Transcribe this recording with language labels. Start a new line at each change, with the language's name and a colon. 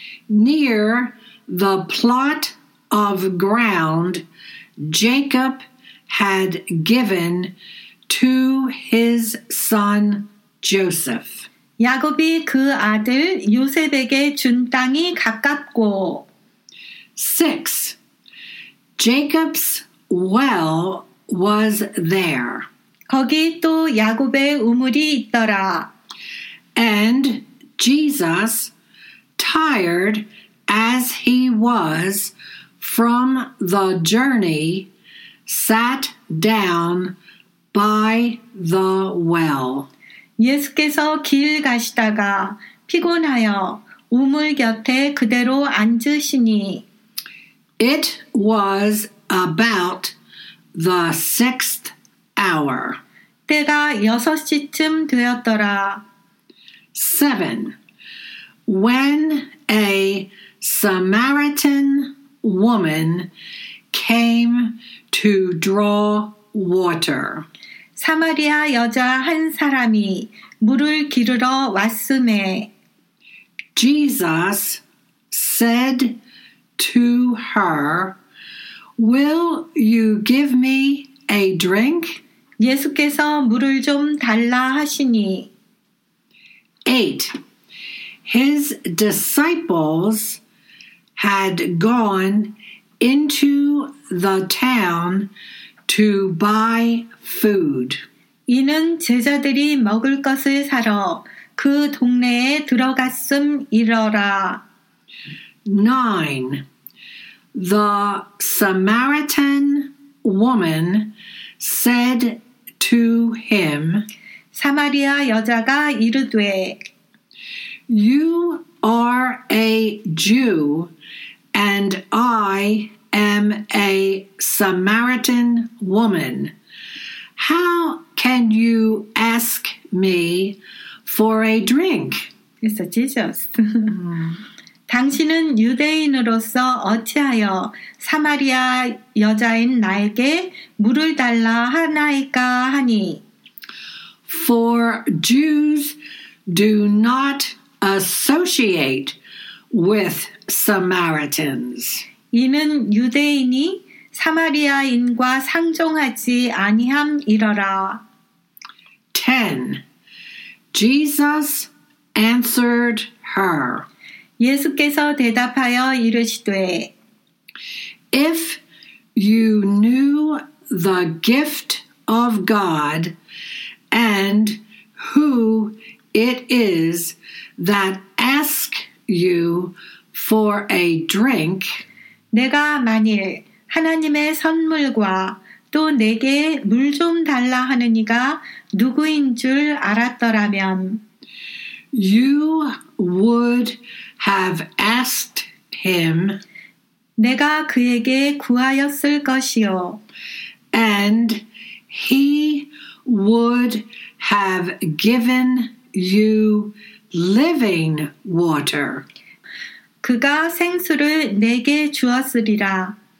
English: Near the plot of ground Jacob had given to his son Joseph.
Korean: 야곱이 그 아들 요셉에게 준 땅이 가깝고.
English: 6. Jacob's well was there.
Korean: 거기 또 야곱의 우물이 있더라.
English: And Jesus, tired as he was from the journey, sat down by the well.
Korean: 예수께서 길 가시다가 피곤하여 우물 곁에 그대로 앉으시니.
English: It was about the sixth hour.
Korean: 때가 6시쯤 되었더라.
English: 7. When a Samaritan woman came to draw water.
Korean: 사마리아 여자 한 사람이 물을 기르러 왔음에
English: Jesus said to her, Will you give me a drink?
Korean: 예수께서 물을 좀 달라 하시니
English: 8. His disciples said, had gone into the town to buy food.
Korean: 이는 제자들이 먹을 것을 사러 그 동네에 들어갔음이러라.
English: 9. The Samaritan woman said to him,
Korean: 사마리아 여자가 이르되,
English: You are a Jew, and I am a Samaritan woman. How can you ask me for a drink? It's a Jesus.
Korean: 당신은 유대인으로서 어찌하여 사마리아 여자인 나에게 물을 달라 하나이까 하니?
English: For Jews do not associate with Samaritans.
Korean: 이는 유대인이 사마리아인과 상종하지 아니함이러라.
English: 10. Jesus answered her.
Korean: 예수께서 대답하여 이르시되,
English: If you knew the gift of God and who it is that ask you for a drink,
Korean: 내가 만일 하나님의 선물과 또 내게 물 좀 달라 하는 이가 누구인 줄 알았더라면,
English: You would have asked him,
Korean: 내가 그에게 구하였을 것이요,
English: and he would have given you living water.
Korean: 그가 생수를 내게 주었으리라.